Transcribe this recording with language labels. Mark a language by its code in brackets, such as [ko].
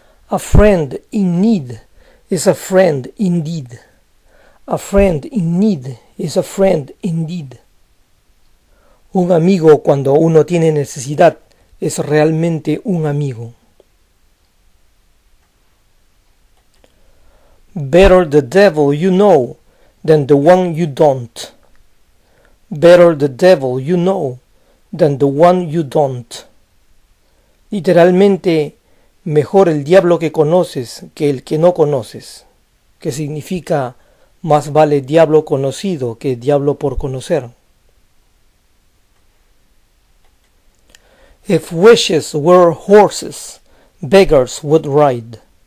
[en] A friend in need is a friend indeed. A friend in need is a friend indeed. [es] Un amigo cuando uno tiene necesidad es realmente un amigo. [en] Better the devil you know than the one you don't. Better the devil you know than the one you don't. [es] Literalmente, mejor el diablo que conoces que el que no conoces, que significa más vale diablo conocido que diablo por conocer. [en] If wishes were horses, beggars would ride.